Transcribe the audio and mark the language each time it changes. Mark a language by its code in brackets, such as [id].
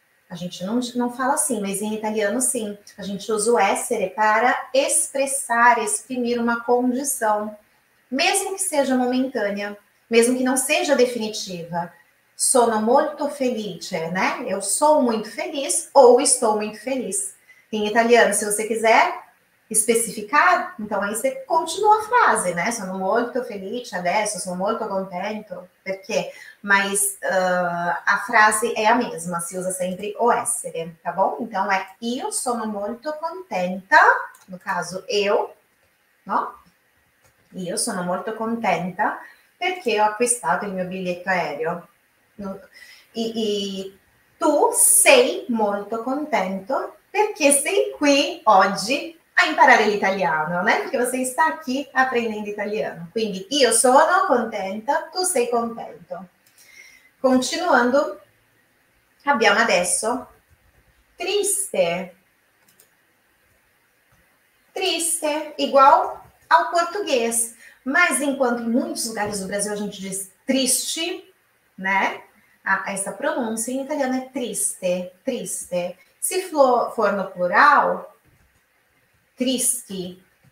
[pt] A gente não fala assim, mas em italiano sim. A gente usa o essere para expressar, exprimir uma condição, mesmo que seja momentânea, mesmo que não seja definitiva. [it] Sono molto felice, [pt] né? Eu sou muito feliz ou estou muito feliz. Em italiano, se você quiser especificar, então aí você continua a frase, né? [it] Sono molto felice adesso, sono molto contento, perché? [pt] Mas a frase é a mesma, [it] si usa sempre [pt] o essere, tá bom? Então é [it] io sono molto contenta, [pt] no caso eu, no? [it] Io sono molto contenta perché ho acquistato il mio biglietto aereo. E tu sei molto contento perché sei qui oggi a imparare l'italiano, né? [pt] Perché você está aqui aprendendo italiano. [it] Quindi io sono contenta, tu sei contento. Continuando, abbiamo adesso triste. [pt] Triste, igual ao português. Mas enquanto em muitos lugares do Brasil a gente diz triste, né? Essa pronúncia em italiano é triste, triste. Se for no plural, tristi.